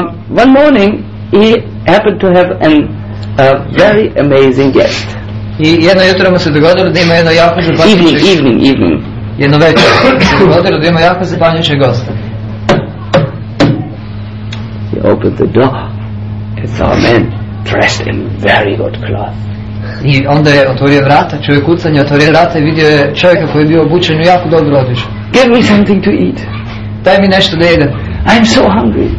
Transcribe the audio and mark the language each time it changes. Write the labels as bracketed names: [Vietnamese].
[English] One morning he happened to have a very amazing guest. [Croatian] I jedno jutro mu se dogodilo da ima jedno jako zapanjuće. [English] Evening. [Croatian] Jedno večer se dogodilo da ima jako zapanjuće gosta. [English] He opened the door and saw a man dressed in very good cloth. [Croatian] I onda je otvorio vrata, čuje kucanje, otvorio vrata i vidio je čovjeka koji je bio obučen u jako dobro odjeću. [English] Give me something to eat. [Croatian] Daj mi nešto da jedem. [English] I'm so hungry.